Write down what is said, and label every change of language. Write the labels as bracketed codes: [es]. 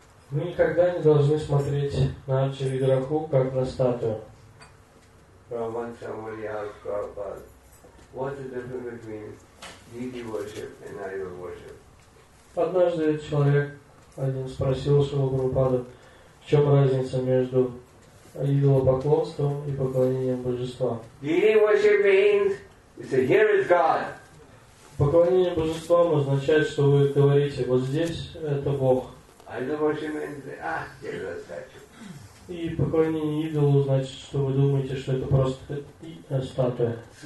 [ru] Мы никогда не должны смотреть на Ача-Виграху как на статую. Роман Самуриал Прабхупад. [en] What's the difference between deity worship and idol worship? [ru] Однажды человек спросил своего Прабхупада, в чем разница между идолопоклонством и поклонением божества. [en] Deity worship means you say, here is God. [ru] Поклонение божествам означает, что вы говорите, вот здесь это Бог. [en] Idol worship means, here is a statue. [ru] И поклонение идолу значит, что вы думаете, что это просто статуя.